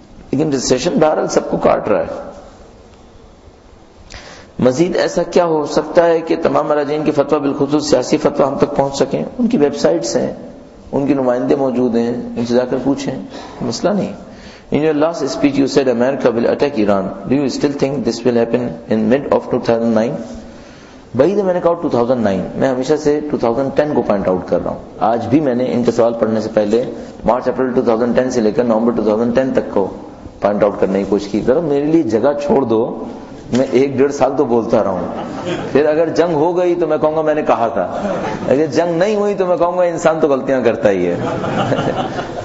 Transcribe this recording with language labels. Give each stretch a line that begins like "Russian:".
Urdu: لیکن ریسیشن بہرحال سب کو کاٹ رہا ہے. مزید ایسا کیا ہو سکتا ہے کہ تمام مراجعین کے فتوا بالخصوص سیاسی فتوا ہم تک پہنچ سکیں؟ ان کی ویب سائٹس ہیں, ان کے نمائندے موجود ہیں, ان سے جا کر پوچھیں, مسئلہ نہیں.
English: In your last speech you said America will attack Iran. Do you still think this will happen in mid of 2009?
Urdu: بھائی میں نے کہا 2009, میں ہمیشہ سے 2010 کو پوائنٹ آؤٹ کر رہا ہوں. آج بھی میں نے ان کا سوال پڑھنے سے پہلے مارچ اپریل 2010 سے لے کر نومبر 2010 تک کو پوائنٹ آؤٹ کرنے کی کوشش کی. ذرا میرے لیے جگہ چھوڑ دو, میں 1.5 سال تو بولتا رہا ہوں, پھر اگر جنگ ہو گئی تو میں کہوں گا میں نے کہا تھا, اگر جنگ نہیں ہوئی تو میں کہوں گا انسان تو غلطیاں کرتا ہی ہے.